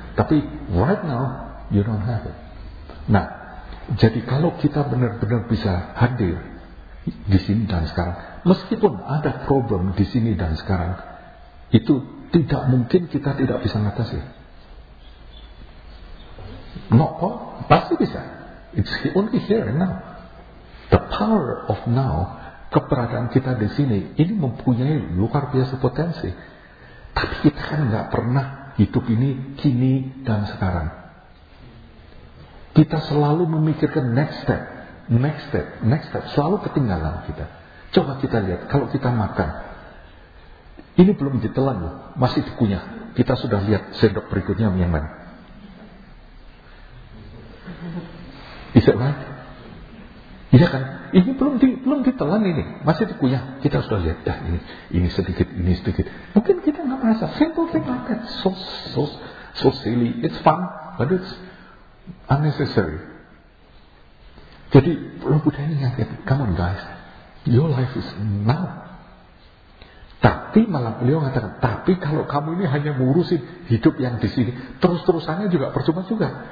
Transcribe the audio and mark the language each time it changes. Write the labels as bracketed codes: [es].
[id] Tapi [en] right now you don't have it. [id] Nah, jadi kalau kita benar-benar bisa hadir di sini dan sekarang, meskipun ada problem di sini dan sekarang, itu tidak mungkin kita tidak bisa ngatasi. [en] No, oh, [id] pasti bisa. [en] It's only here and now. The power of now, [id] keberadaan kita di sini, ini mempunyai luar biasa potensi. Tapi kita kan nggak pernah hidup ini kini dan sekarang. Kita selalu memikirkan [en] next step, next step, next step, [id] selalu ketinggalan kita. Coba kita lihat, kalau kita makan, ini belum ditelan loh, masih dikunyah. Kita sudah lihat sendok berikutnya yang mana. [en] Is that right? [id] Iya kan? Ini belum ditelan ini, masih dikunyah. Kita sudah lihat, dah ini sedikit, ini sedikit. Mungkin kita nggak merasa, [en] simple thing like that, so silly, it's fun, but it's unnecessary. [id] Jadi orang Buddha ini ngerti, [en] come on guys, your life is now. [id] Tapi malah beliau mengatakan, tapi kalau kamu ini hanya ngurusin hidup yang di sini, terus-terusannya juga percuma juga.